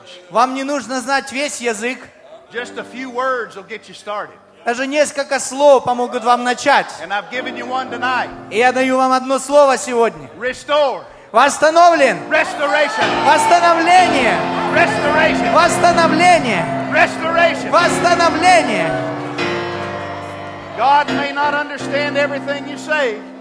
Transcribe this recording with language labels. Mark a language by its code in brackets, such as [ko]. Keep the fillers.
[ru] Вам не нужно знать весь язык. [en] Just a few words will get you started. [ru] Даже несколько слов помогут вам начать. И я даю вам одно слово сегодня. [en] Restore. [ru] Восстановлен. [en] Restoration. [ru] Восстановление. [en] Restoration. [ru] Восстановление. [en] Restoration. [ru] Восстановление.